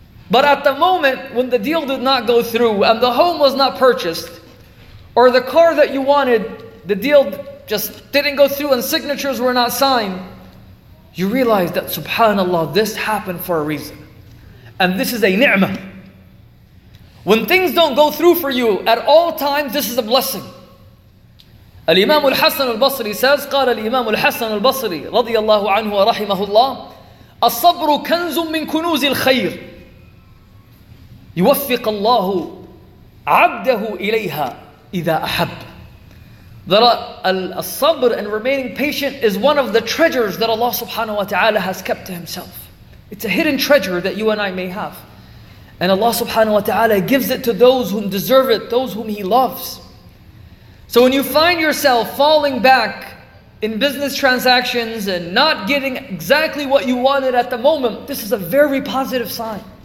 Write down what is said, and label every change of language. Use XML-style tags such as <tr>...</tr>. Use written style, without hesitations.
<en>But at the moment when the deal did not go through and the home was not purchased, or the car that you wanted, the deal just didn't go through and signatures were not signed, you realize that, subhanAllah, this happened for a reason. And this is a ni'mah. When things don't go through for you at all times, this is a blessing.</en> <ar>Al-Imam al-Hasan al-Basri says, قال الإمام الحسن البصري رضي الله عنه ورحمه الله الصبر كنز من كنوز الخير يوفق الله عبده إليها إذا أحب.</ar> <en>Al-Sabr and remaining patient is one of the treasures that Allah subhanahu wa ta'ala has kept to Himself. It's a hidden treasure that you and I may have. And Allah subhanahu wa ta'ala gives it to those whom deserve it, those whom He loves. So when you find yourself falling back in business transactions and not getting exactly what you wanted at the moment, this is a very positive sign.</en>